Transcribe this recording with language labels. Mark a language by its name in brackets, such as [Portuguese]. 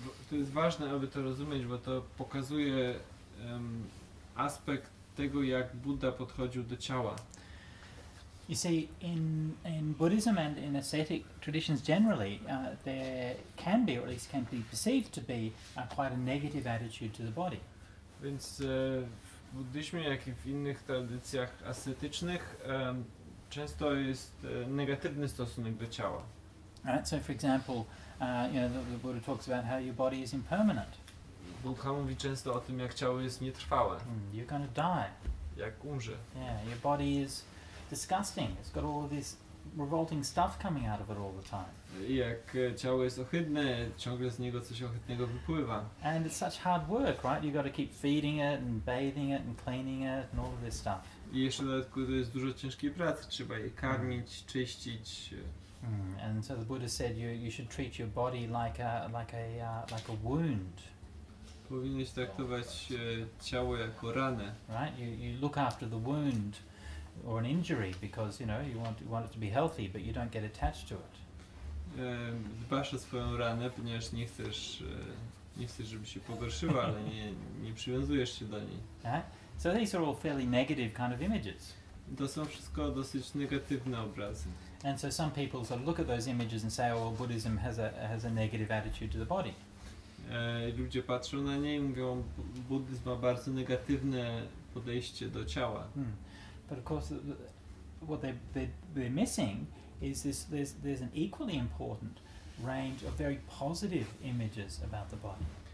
[Polish] To jest ważne, aby to rozumieć, bo to pokazuje aspekt tego, jak Buddha podchodził do ciała. [English] You see, in Buddhism and in ascetic traditions generally, there can be, or at least can be perceived to be, quite a negative attitude to the body. [Polish] Więc w buddyzmie, jak i w innych tradycjach ascetycznych, często jest negatywny stosunek do ciała. [English] Right, so for example, the Buddha talks about how your body is impermanent. [Polish] Buddha mówi często o tym, jak ciało jest nietrwałe. [English] You're going to die. [Polish] Jak umrze. [English] Yeah, your body is disgusting. It's got all of this revolting stuff coming out of it all the time. [Polish] Jak ciało jest ohydne, ciągle z niego coś ohydnego wypływa. [English] And it's such hard work, right? You've got to keep feeding it and bathing it and cleaning it and all of this stuff. [Polish] I jeszcze dodatkowo to jest dużo ciężkiej pracy. Trzeba je karmić, czyścić. [English] And so the Buddha said you should treat your body like a wound. [Polish] Powinieneś traktować ciało jako ranę. [English] Right? You look after the wound or an injury because you want it to be healthy, but you don't get attached to it. [Polish] Dbasz o swoją ranę, ponieważ nie chcesz, żeby się pogorszyła, ale nie przywiązujesz się do niej. [English] Right? So these are all fairly negative kind of images. [Polish] To są wszystko dosyć negatywne obrazy. [English] And so some people sort of look at those images and say, "Well, Buddhism has a negative attitude to the body." [Polish] Ludzie patrzą na nie i mówią, buddyzm ma bardzo negatywne podejście do ciała. [English] But of course, what they're missing is this: there's an equally important range of very positive images about the body.